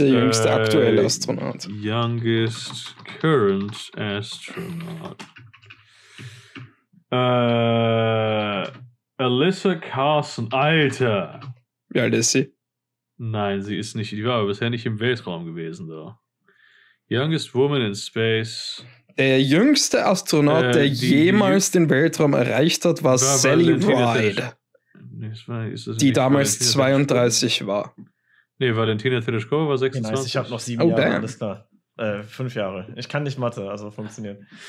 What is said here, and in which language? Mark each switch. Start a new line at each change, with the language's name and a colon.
German: Der jüngste aktuelle Astronaut.
English: Youngest current astronaut.
German: Alyssa Carson, Alter. Wie alt ist sie? Nein, sie ist nicht. Die war aber bisher nicht im Weltraum gewesen, though.
English: Youngest woman in space.
German: Der jüngste Astronaut, der jemals den Weltraum erreicht hat, war Sally Ride. Die damals 32 war. Nee, Valentina Tereshkova war 26. Nice, ich habe noch 7 Jahre, alles klar. 5 Jahre. Ich kann nicht Mathe, also funktioniert.